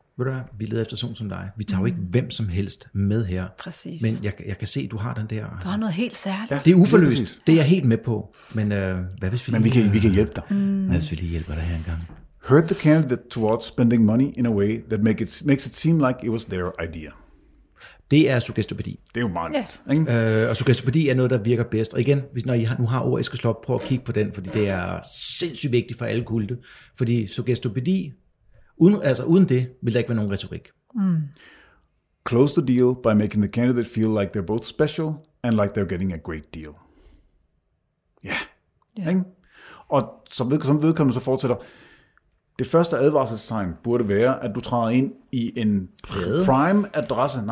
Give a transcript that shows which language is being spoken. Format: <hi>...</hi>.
<da>Ved du hvad, vi leder efter sådan som dig. Vi tager jo ikke hvem som helst med her. Præcis. Men jeg kan se, at du har den der. Altså. Du har noget helt særligt. Ja, det er uforløst. Det er jeg helt med på. Men hvad hvis vi lige... Men vi kan hjælpe dig. Mm. Hvad hvis vi lige hjælper dig her engang?</da> <en>Hurt the candidate towards spending money in a way that makes it seem like it was their idea.</en> <da>Det er suggestopædi. Det er jo meget. Yeah. Og suggestopædi er noget, der virker bedst. Og igen, når I nu har ord, I skal slå op, prøv at kigge på den, fordi det er sindssygt vigtigt for alle kulte. Fordi suggestopædi... Uden det, vil der ikke være nogen retorik. Mm.</da> <en>Close the deal by making the candidate feel like they're both special and like they're getting a great deal.</en> <da>Ja. Yeah. Yeah. Og som vedkommende så fortsætter, det første advarselstegn burde være, at du træder ind i en prime adresse.</da>